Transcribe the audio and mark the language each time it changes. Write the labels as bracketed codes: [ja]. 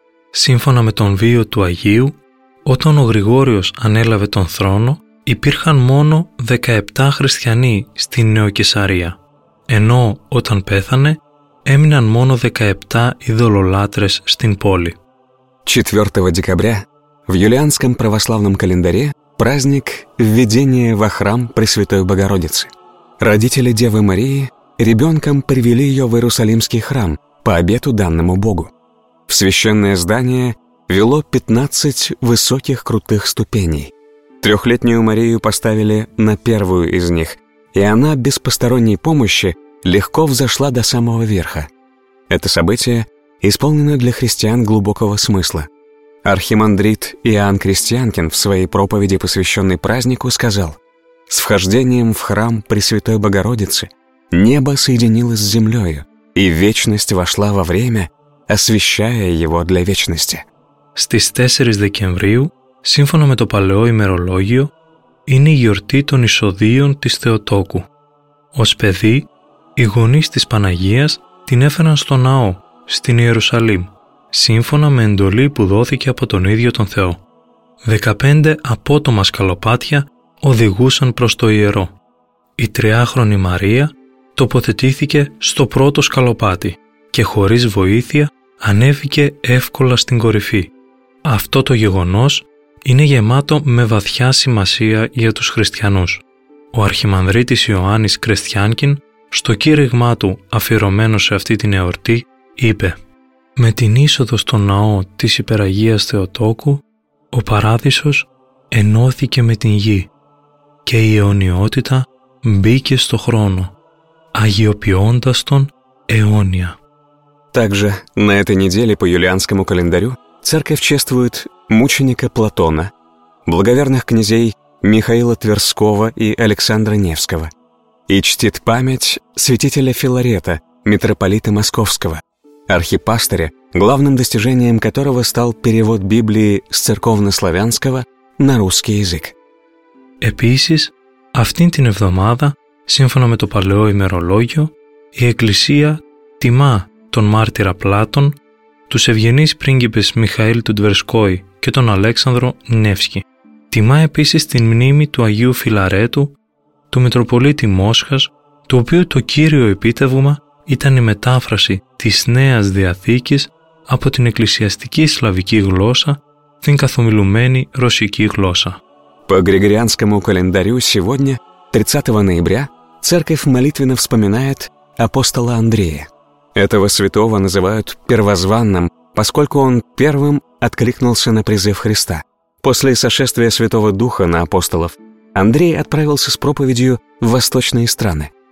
[el] Σύμφωνα με τον βίο του Αγίου, όταν ο Γρηγόριος ανέλαβε τον θρόνο, υπήρχαν μόνο 17 χριστιανοί στην Νεοκεσαρία, ενώ όταν πέθανε, έμειναν μόνο 17 ειδωλολάτρες στην πόλη. [ru] 4 декабря в юлианском православном календаре праздник введения во храм Пресвятой Богородицы. Родители Девы Марии ребенком привели ее в Иерусалимский храм по обету данному Богу. В священное здание вело 15 высоких крутых ступеней. Трехлетнюю Марию поставили на первую из них, и она без посторонней помощи легко взошла до самого верха. Это событие исполнено для христиан глубокого смысла. Архимандрит Иоанн Крестьянкин в своей проповеди, посвященной празднику, сказал: «С вхождением в храм Пресвятой Богородицы небо соединилось с землею, и вечность вошла во время, освящая его для вечности». [el] Στις 4 Δεκεμβρίου, σύμφωνα με το παλαιό ημερολόγιο, είναι η γιορτή των εισοδίων της Θεοτόκου. Ως παιδί, οι γονείς της Παναγίας την έφεραν στο ναό, στην Ιερουσαλήμ, σύμφωνα με εντολή που δόθηκε από τον ίδιο τον Θεό. 15 απότομα σκαλοπάτια οδηγούσαν προς το ιερό. Η 3χρονη Μαρία τοποθετήθηκε στο πρώτο σκαλοπάτι και χωρίς βοήθεια ανέβηκε εύκολα στην κορυφή. Αυτό το γεγονός είναι γεμάτο με βαθιά σημασία για τους χριστιανούς. Ο αρχιμανδρίτης Ιωάννης Κρεστιάνκιν, στο κήρυγμά του αφιερωμένο σε αυτή την εορτή, είπε: «Με την είσοδο στο ναό της Υπεραγίας Θεοτόκου, ο Παράδεισος ενώθηκε με την γη και η αιωνιότητα μπήκε στο χρόνο, αγιοποιώντας τον αιώνια». [ru] Также на этой неделе по юлианскому календарю церковь чествует мученика Платона, благоверных князей Михаила Тверского и Александра Невского, и чтит память святителя Филарета, митрополита Московского, архипастыря, главным достижением которого стал перевод Библии с церковно-славянского на русский язык. [el] Επίσης, αυτήν την εβδομάδα, σύμφωνα με το παλαιό ημερολόγιο, η Εκκλησία τιμά τον μάρτυρα Πλάτων, τους ευγενείς πρίγκιπες Μιχαήλ του Τβερσκόη και τον Αλέξανδρο Νεύσκη. Τιμά επίσης την μνήμη του Αγίου Φιλαρέτου, του Μητροπολίτη Μόσχας, του οποίου το κύριο επίτευγμα ήταν η μετάφραση της Νέας Διαθήκης από την εκκλησιαστική σλαβική γλώσσα στην καθομιλουμένη ρωσική γλώσσα. [ru] По Григорианскому календарю сегодня, 30 ноября, церковь молитвенно вспоминает апостола Андрея. Этого святого называют первозванным, поскольку он первым откликнулся на призыв Христа. После сошествия Святого Духа на апостолов, Андрей отправился с проповедью в восточные страны.